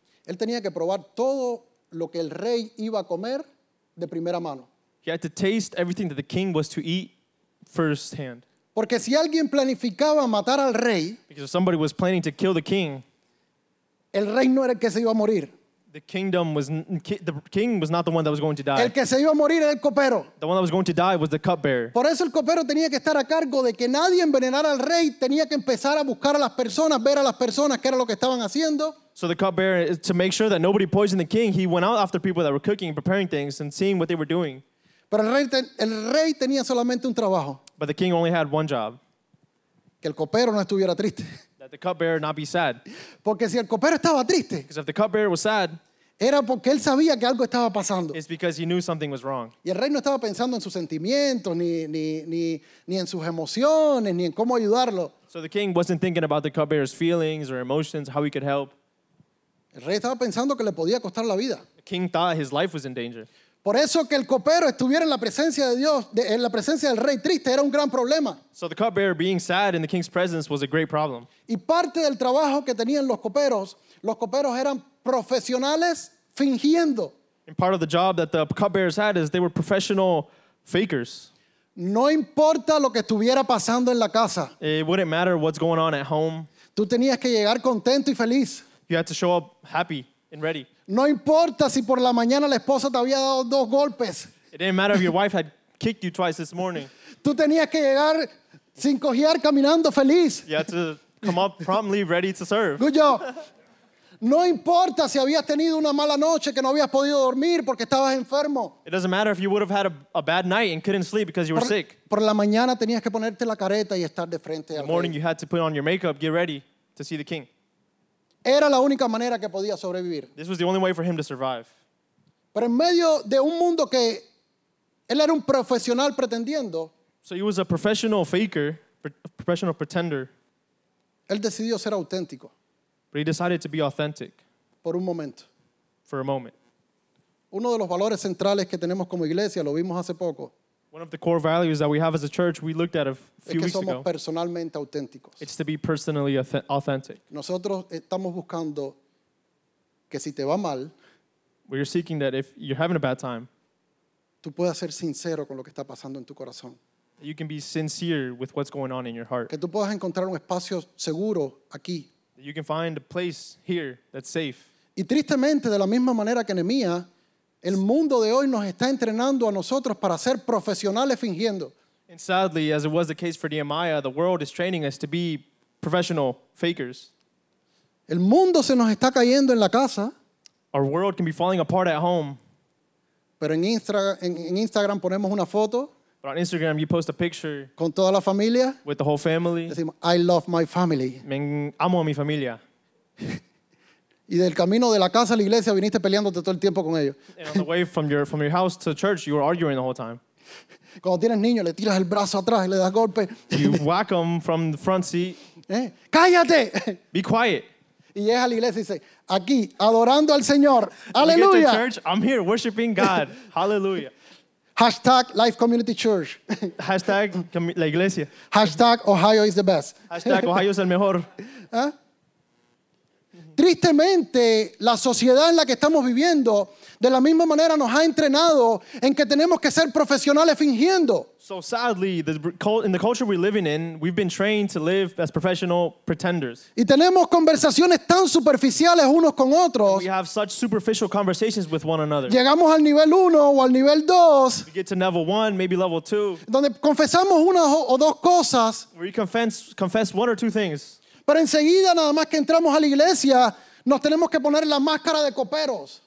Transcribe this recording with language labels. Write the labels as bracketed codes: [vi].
[es] Él tenía que probar todo lo que el rey iba a comer de primera mano. [en] He had to taste everything that the king was to eat firsthand. [es] Porque si alguien planificaba matar al rey, [en] because if somebody was planning to kill the king, [es] el rey no era el que se iba a morir. [en] The kingdom was the king was not the one that was going to die. [es] El que se iba a morir era el copero. [en] The one that was going to die was the cupbearer. [es] Por eso el copero tenía que estar a cargo de que nadie envenenara al rey. Tenía que empezar a buscar a las personas, ver a las personas qué era lo que estaban haciendo. [en] So the cupbearer, to make sure that nobody poisoned the king, he went out after people that were cooking and preparing things and seeing what they were doing. [es] Pero el rey tenía solamente un trabajo. [en] But the king only had one job. [es] Que el copero no estuviera triste. [en] That the cupbearer not be sad. [es] Porque si el copero estaba triste, [en] because if the cupbearer was sad, [es] era porque él sabía que algo estaba pasando. [en] It's because he knew something was wrong. [es] Y el rey no estaba pensando en sus sentimientos, ni en sus emociones, ni en cómo ayudarlo. [en] So the king wasn't thinking about the cupbearer's feelings or emotions, how he could help. [es] El rey estaba pensando que le podía costar la vida. [en] The king thought his life was in danger. [es] Por eso que el copero estuviera en la presencia de Dios, en la presencia del rey triste, era un gran problema. [en] So the cupbearer being sad in the king's presence was a great problem. [es] Y parte del trabajo que tenían los coperos eran profesionales fingiendo. [en] And part of the job that the cupbearers had is they were professional fakers. [es] No importa lo que estuviera pasando en la casa. [en] It wouldn't matter what's going on at home. [es] Tú tenías que llegar contento y feliz. [en] You had to show up happy and ready. [es] No importa si por la mañana la esposa te había dado dos golpes. [en] It didn't matter if your wife had kicked you twice this morning. [es] Tú tenías que llegar sin cojear, caminando feliz. [en] You had to come up promptly, ready to serve. Good job. [es] No importa si habías tenido una mala noche que no habías podido dormir porque estabas enfermo. [en] It doesn't matter if you would have had a bad night and couldn't sleep because you were sick. [es] Por la mañana tenías que ponerte la careta y estar de frente al rey. [en] The morning you had to put on your makeup, get ready to see the king. [es] Era la única manera que podía sobrevivir. [en] This was the only way for him to survive. [es] Pero en medio de un mundo que él era un profesional pretendiendo. [en] So he was a professional faker, a professional pretender. [es] Él decidió ser auténtico. [en] But he decided to be authentic. [es] Por un momento. [en] For a moment. [es] Uno de los valores centrales que tenemos como iglesia, lo vimos hace poco. [en] One of the core values that we have as a church, we looked at a few weeks ago. [es] Somos personalmente auténticos. [en] It's to be personally authentic. [es] Nosotros estamos buscando que si te va mal, [en] we're seeking that if you're having a bad time, [es] tú puedas ser sincero con lo que está pasando en tu corazón. [en] That you can be sincere with what's going on in your heart. [es] Que tú puedas encontrar un espacio seguro aquí. [en] That you can find a place here that's safe. [es] Y tristemente, de la misma manera que Nehemías, el mundo de hoy nos está entrenando a nosotros para ser profesionales fingiendo. [en] And sadly, as it was the case for Nehemiah, the world is training us to be professional fakers. [es] El mundo se nos está cayendo en la casa. [en] Our world can be falling apart at home. [es] Pero en Instagram ponemos una foto. [en] But on Instagram, you post a picture. [es] Con toda la familia. [en] With the whole family. [es] Decimos, [en] I love my family. [es] Amo a mi familia. Y del camino de la casa a la iglesia viniste peleándote todo el tiempo con ellos. [en] And on the way from your house to church, you were arguing the whole time. [es] Cuando tienes niños, le tiras el brazo atrás y le das golpe. [en] You whack them from the front seat. [es] ¡Cállate! [en] Be quiet. [es] Y llega a la iglesia y dice, aquí, adorando al Señor. ¡Aleluya! [en] You get to church, I'm here worshiping God. ¡Hallelujah! Hashtag Life Community Church. [es] Hashtag la iglesia. [en] Hashtag Ohio is the best. [es] Hashtag Ohio es el mejor. ¿Eh? Tristemente, la sociedad en la que estamos viviendo De la misma manera nos ha entrenado en que tenemos que ser profesionales fingiendo. [en] So sadly, in the culture we're living in, we've been trained to live as professional pretenders. [es] Y tenemos conversaciones tan superficiales unos con otros. [en] And we have such superficial conversations with one another. [es] Llegamos al nivel uno o al nivel dos. [en] We get to level one, maybe level two. [es] Donde confesamos una o dos cosas. [en] Where you confess one or two things. [es] Pero enseguida, nada más que entramos a la iglesia, nos tenemos que poner la máscara de coperos.